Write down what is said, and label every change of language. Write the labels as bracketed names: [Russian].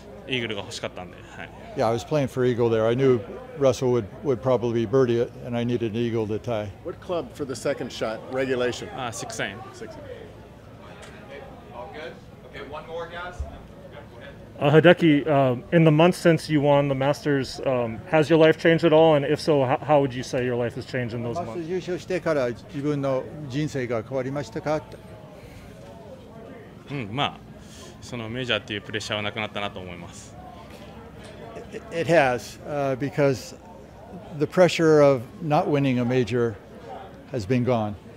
[English] Yeah, I was playing for eagle there. I knew Russell would probably birdie it, and I needed an eagle to tie. What club for the second shot, regulation? 6-9. Six. All good? Okay, one more, guys. Go ahead. Hideki, in the months since you won the Masters, has your life changed at all? And if so, how would you say your life has changed in those months? [Japanese] 優勝してから自分の人生が変わりましたか? [English] It has, because the pressure of not winning a major has been gone.